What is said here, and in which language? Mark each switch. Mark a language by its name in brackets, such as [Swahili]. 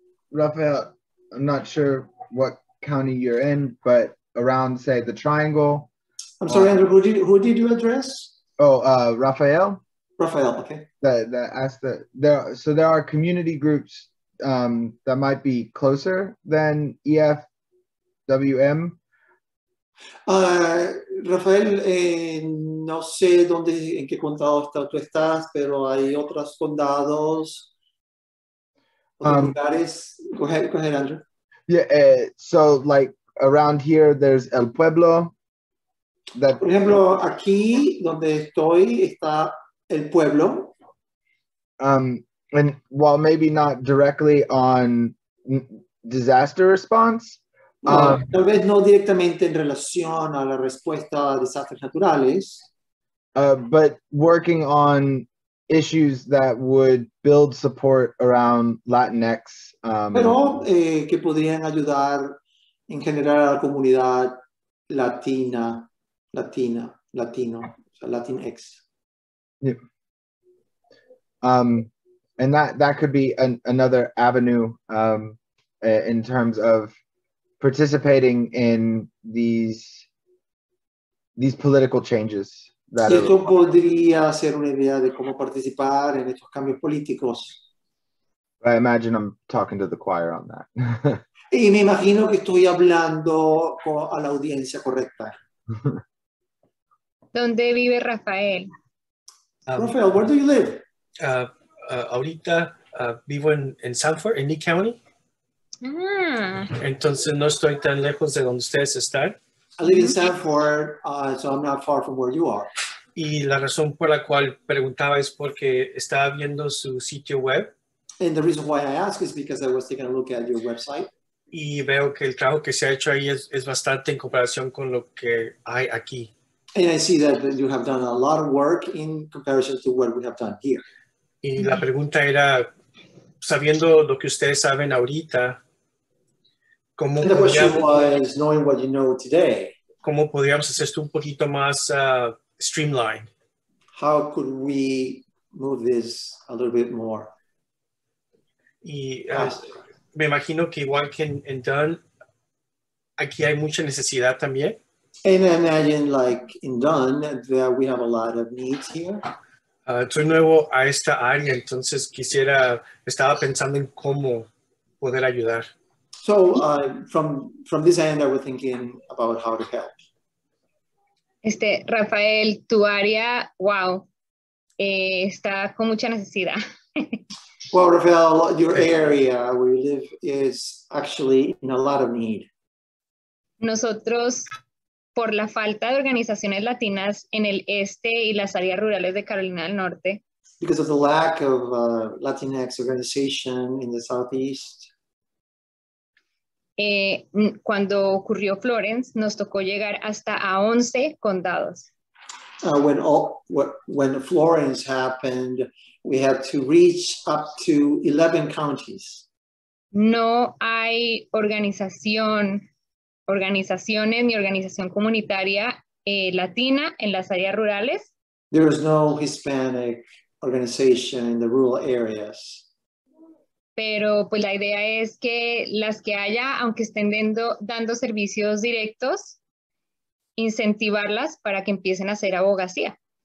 [English] Rafael, I'm not sure what county you're in, but around, say, the Triangle. I'm sorry, Andrew, who did you address? Oh, Rafael. Rafael, okay. There are community groups that might be closer than EFWM. [Spanish] Rafael, no sé dónde, en qué condado tú estás, pero hay otros condados. Lugares. [English] Go ahead, Andrew. Yeah, so like around here, there's El Pueblo. That, [Spanish] por ejemplo, aquí donde estoy está El Pueblo. [English] And while maybe not directly on disaster response. [Spanish] Tal vez no directamente en relación a la respuesta a desastres naturales. [English] But working on issues that would build support around Latinx. [Spanish] Pero que podrían ayudar en general a la comunidad Latinx. [English] Yeah. And that could be another avenue in terms of participating in these political changes. [Spanish] Esto podría ser una idea de cómo participar en estos cambios políticos. [English] I imagine I'm talking to the choir on that. [Spanish] Y me imagino que estoy hablando a la audiencia correcta. ¿Dónde vive Rafael? [English] Rafael, where do you live? [Spanish] Ahorita vivo en Sanford, en Lee County. Entonces no estoy tan lejos de donde ustedes están. [English] I live in Sanford, so I'm not far from where you are. [Spanish] Y la razón por la cual preguntaba es porque estaba viendo su sitio web. [English] And the reason why I ask is because I was taking a look at your website. [Spanish] Y veo que el trabajo que se ha hecho ahí es bastante en comparación con lo que hay aquí. [English] And I see that you have done a lot of work in comparison to what we have done here. [Spanish] Y la pregunta era, sabiendo lo que ustedes saben ahorita, ¿cómo [English] the question was, knowing what you know today, [Spanish] ¿cómo podríamos hacer esto un poquito más streamlined? [English] How could we move this a little bit more? [Spanish] Y me imagino que igual que en Dunn, aquí hay mucha necesidad también. [English] And I imagine like in Dunn that we have a lot of needs here. [Spanish] De nuevo a esta área, entonces quisiera, estaba pensando en cómo poder ayudar. [English] So from this end, I was thinking about how to help. [Spanish] Este, Rafael, tu área, wow, está con mucha necesidad. [English] Well, Rafael, your area where you live is actually in a lot of need. [Spanish] Nosotros, por la falta de organizaciones latinas en el este y las áreas rurales de Carolina del Norte. [English] Because of the lack of Latinx organization in the southeast. [Spanish] Cuando ocurrió Florence, nos tocó llegar hasta a 11 condados. [English] When Florence happened, we had to reach up to 11 counties. [Spanish] No hay organizaciones ni organización comunitaria latina en las áreas rurales. [English] There is no Hispanic organization in the rural areas. [Spanish] Pero pues la idea es que las que haya, aunque estén dando servicios directos, incentivarlas para que empiecen a hacer abogacía.